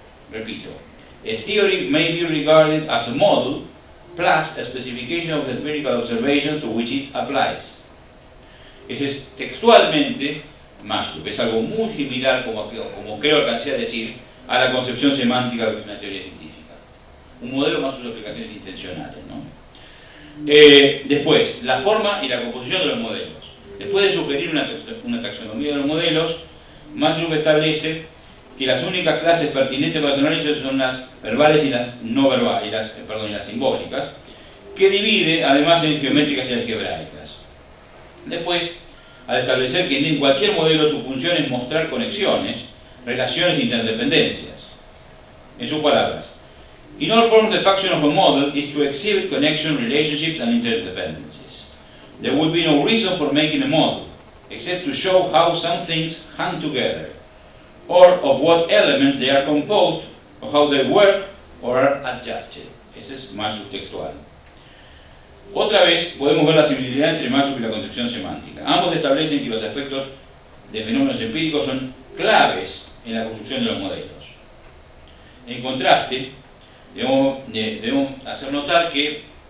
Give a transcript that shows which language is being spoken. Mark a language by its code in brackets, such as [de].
[es] Repito, [en] a theory may be regarded as a model plus a specification of the empirical observations to which it applies. [es] Eso es textualmente Maslow. Es algo muy similar, como creo alcancé a decir, a la concepción semántica de una teoría científica. Un modelo más sus aplicaciones intencionales, ¿no? Después, la forma y la composición de los modelos. Después de sugerir una taxonomía de los modelos, Maslow establece que las únicas clases pertinentes para su análisis son las verbales y las no verbales, y las simbólicas, que divide además en geométricas y algebraicas. Después, al establecer que en cualquier modelo su función es mostrar conexiones, relaciones e interdependencias. En sus palabras, [en] in all forms the function of a model is to exhibit connection, relationships and interdependencies. There would be no reason for making a model, except to show how some things hang together, or of what elements they are composed, or how they work, or are adjusted. [es] Ese es más subtextual. Otra vez, podemos ver la similaridad entre Maslow y la concepción semántica. Ambos establecen que los aspectos de fenómenos empíricos son claves en la construcción de los modelos. En contraste, debemos hacer notar que...